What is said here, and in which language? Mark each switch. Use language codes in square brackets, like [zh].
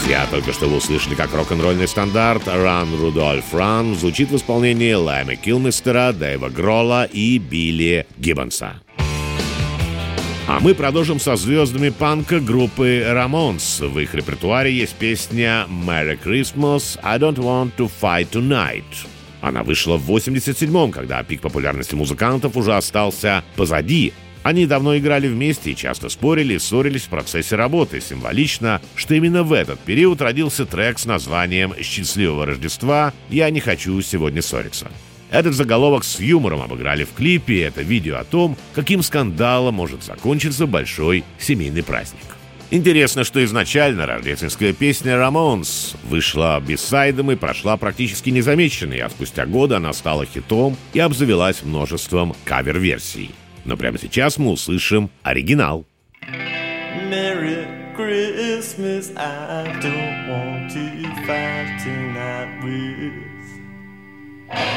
[ru] Только что вы услышали, как рок-н-ролльный стандарт «Run, Rudolph, Run» звучит в исполнении Лайма Килмистера, Дэйва Гролла и Билли Гиббонса. А мы продолжим со звездами панка группы Ramones. В их репертуаре есть песня «Merry Christmas, I don't want to fight tonight». Она вышла в 87-м, когда пик популярности музыкантов уже остался позади. Они давно играли вместе и часто спорили и ссорились в процессе работы. Символично, что именно в этот период родился трек с названием «Счастливого Рождества. Я не хочу сегодня ссориться». Этот заголовок с юмором обыграли в клипе, и это видео о том, каким скандалом может закончиться большой семейный праздник. Интересно, что изначально рождественская песня «Ramones» вышла бисайдом и прошла практически незамеченной, а спустя годы она стала хитом и обзавелась множеством кавер-версий. Но прямо сейчас мы услышим оригинал. [en] Merry Christmas, I don't want to fight tonight with.